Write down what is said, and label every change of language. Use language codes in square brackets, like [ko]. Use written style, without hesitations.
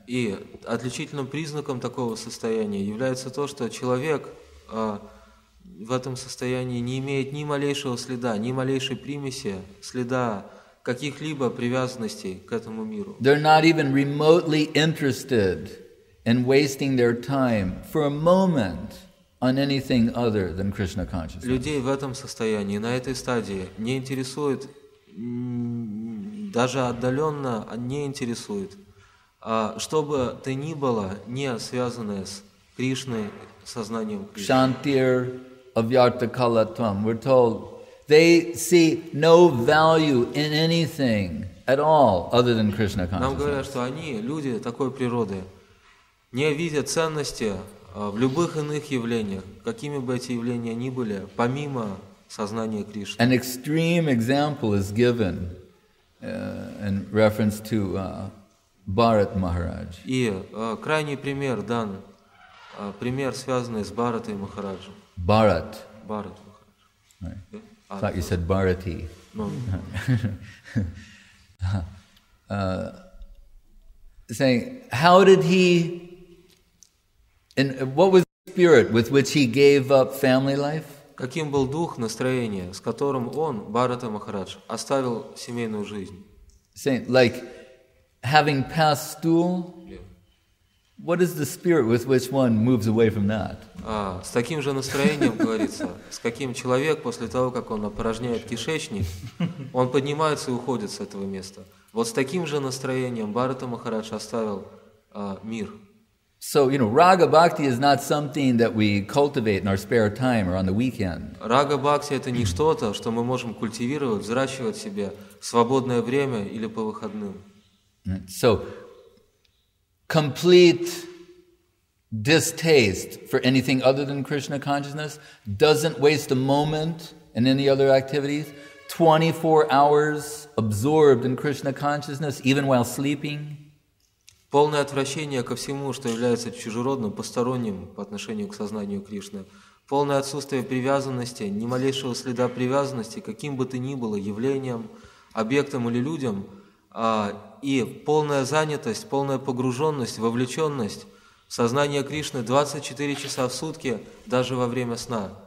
[ru] И отличительным признаком такого состояния является то, что человек в этом состоянии не имеет ни малейшего следа, ни малейшей примеси, следа каких-либо привязанностей к этому миру. [en] They're not even remotely interested in wasting their time for a moment on anything other than Krishna consciousness. [ru] Людей в этом состоянии, на этой стадии, не интересует, даже отдаленно не интересует, что бы то ни было, не связанное с Кришной, сознанием Кришны. [sa] Shantir avyarta kalatvam. [en] We're told they see no value in anything at all other than Krishna consciousness. [ru] Нам говорят, что они, люди такой природы, не видят ценности в любых иных явлениях, какими бы эти явления ни были, помимо сознания Кришны. [en] An extreme example is given in reference to Bharat Maharaj. [ru] И крайний пример дан, пример, связанный с Бхаратой Махараджем. [en] Bharat. Bharat Maharaj. I thought you said Bharati. No. saying, how did he... And what was the spirit with which he gave up family life? [ru] Каким был дух, настроение, с которым он, Бхарата Махарадж, оставил семейную жизнь? [en] Saying, like, having passed stool, what is the spirit with which one moves away from that? [ru] С таким же настроением, говорится, с каким человек, после того, как он опорожняет кишечник, он поднимается и уходит с этого места. Вот с таким же настроением Бхарата Махарадж оставил мир. [en] So, you know, Raga Bhakti is not something that we cultivate in our spare time or on the weekend. [ru] Raga Bhakti — это не что-то, что мы можем культивировать, взращивать себе в свободное время или по выходным. [en] So, complete distaste for anything other than Krishna consciousness doesn't waste a moment in any other activities. 24 hours absorbed in Krishna consciousness, even while sleeping. [ru] Полное отвращение ко всему, что является чужеродным, посторонним по отношению к сознанию Кришны. Полное отсутствие привязанности, ни малейшего следа привязанности, каким бы то ни было явлением, объектом или людям. И полная занятость, полная погруженность, вовлеченность в сознание Кришны 24 часа в сутки, даже во время сна.